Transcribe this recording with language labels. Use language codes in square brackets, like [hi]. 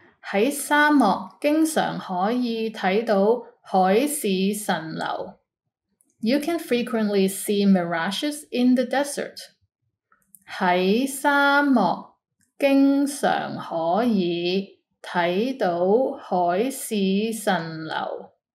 [zh] 在沙漠经常可以看到海市蜃楼. [en] You can frequently see mirages in the desert. [zh] 在沙漠经常可以看到海市蜃楼.